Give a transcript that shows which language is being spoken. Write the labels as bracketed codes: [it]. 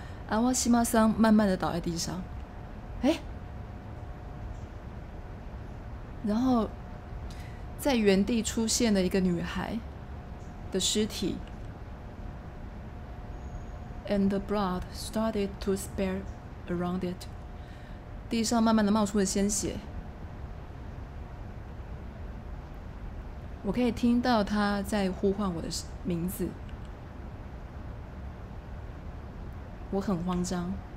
[zh] 阿瓦西玛桑慢慢的倒在地上。哎，然后在原地出现了一个女孩的尸体。 [en] And the blood started to spare around it. [zh] 地上慢慢的冒出了鲜血。我可以听到他在呼唤我的名字，我很慌张。